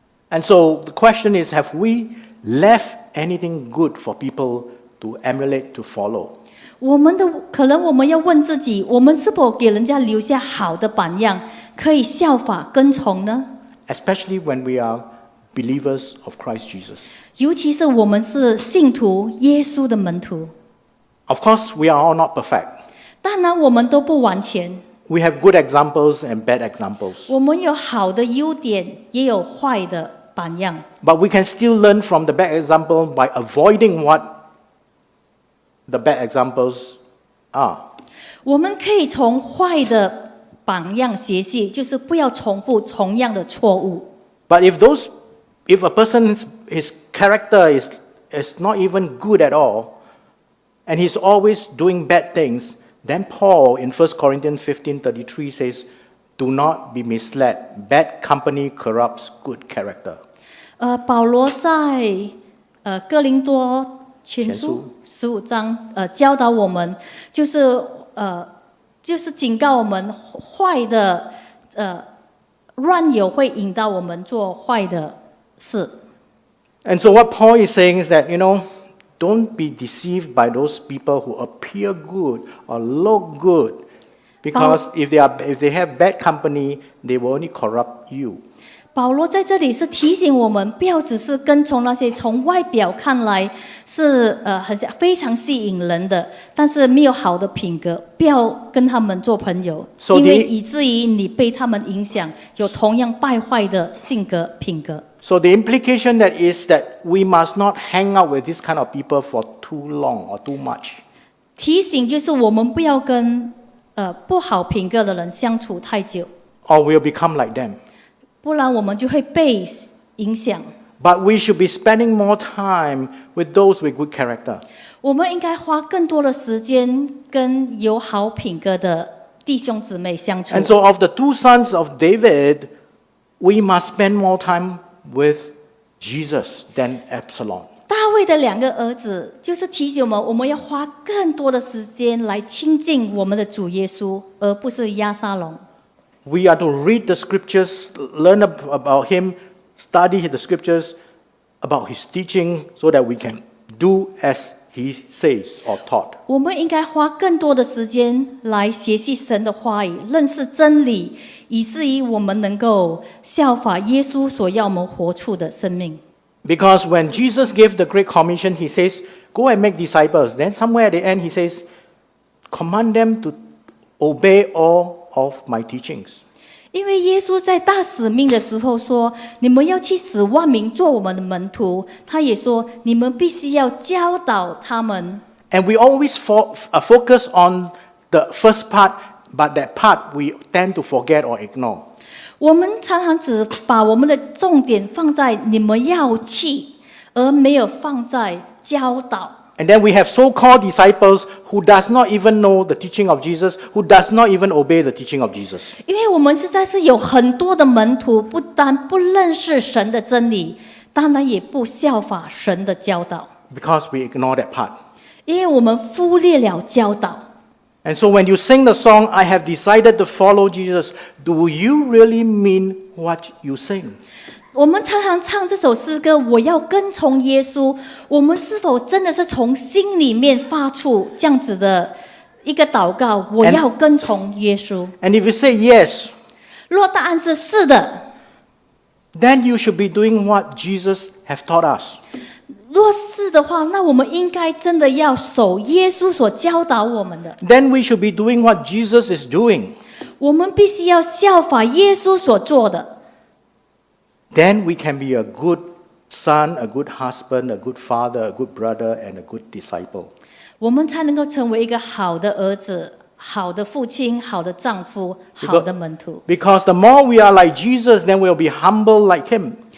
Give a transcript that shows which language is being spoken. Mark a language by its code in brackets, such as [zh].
[en] And so the question is, have we left anything good for people to emulate, to follow? [zh] 我们的可能我们要问自己，我们是否给人家留下好的榜样，可以效法跟从呢？ [en] Especially when we are believers of Christ Jesus. [zh] 尤其是我们是信徒，耶稣的门徒。 [en] Of course, we are all not perfect. [zh] 当然，我们都不完全。 [en] We have good examples and bad examples. [zh] 我们有好的优点，也有坏的。 [en] But we can still learn from the bad example by avoiding what the bad examples are. [zh] 我们可以从坏的榜样学习，就是不要重复同样的错误。 [en] But if a person's his character is not even good at all, and he's always doing bad things, then Paul in 1 Corinthians 15:33 says, "Do not be misled. Bad company corrupts good character." [zh] 保罗在哥林多前书十五章教导我们，就是警告我们坏的乱友会引导我们做坏的事。 [en] And so what Paul is saying is that you know, don't be deceived by those people who appear good or look good, because if they have bad company, they will only corrupt you. [zh] 保罗在这里是提醒我们，不要只是跟从那些从外表看来是非常吸引人的，但是没有好的品格，不要跟他们做朋友，因为以至于你被他们影响，有同样败坏的性格品格。 [en] So the implication that is that we must not hang out with this kind of people for too long or too much. [zh] 提醒就是我们不要跟不好品格的人相处太久。 [en] Or we'll become like them. [zh] 不然我们就会被影响。 [en] But we should be spending more time with those with good character. [zh] 我们应该花更多的时间跟有好品格的弟兄姊妹相处。 [en] And so of the two sons of David, we must spend more time with Jesus than Absalom. [zh] 大卫的两个儿子就是提醒我们，我们要花更多的时间来亲近我们的主耶稣，而不是亚撒龙。 [en] We are to read the scriptures, learn about him, study the scriptures, about his teaching, so that we can do as he says or taught. [zh] 我们应该花更多的时间来学习神的话语，认识真理，以至于我们能够效法耶稣所要我们活出的生命。 [en] Because when Jesus gave the Great Commission, he says, go and make disciples. Then somewhere at the end, he says, command them to obey all of my teachings. [zh] 因为耶稣在大使命的时候说，你们要去使万民做我们的门徒，他也说，你们必须要教导他们。 [en] And we always focus on the first part, but that part we tend to forget or ignore. [zh] 我们常常只把我们的重点放在你们要去，而没有放在教导。 [en] And then we have so-called disciples who does not even know the teaching of Jesus, who does not even obey the teaching of Jesus. [zh] 因为我们实在是有很多的门徒，不单不认识神的真理，当然也不效法神的教导。 [en] Because we ignore that part. [zh] 因为我们忽略了教导。 [en] And so when you sing the song, I have decided to follow Jesus, do you really mean what you sing? [zh] 我们常常唱这首诗歌，我要跟从耶稣，我们是否真的是从心里面发出这样子的一个祷告，我要跟从耶稣。 [en] And if you say yes, [zh] 若答案是是的， [en] then you should be doing what Jesus has taught us. [zh] 若是的话，那我们应该真的要守耶稣所教导我们的。 [en] Then we should be doing what Jesus is doing. [zh] 我们必须要效法耶稣所做的。 [en] Then we can be a good son, a good husband, a good father, a good brother, and a good disciple. [zh] 我们才能够成为一个好的儿子、好的父亲、好的丈夫、好的门徒。 [en] Because the more we are like Jesus, then we'll be humble like him.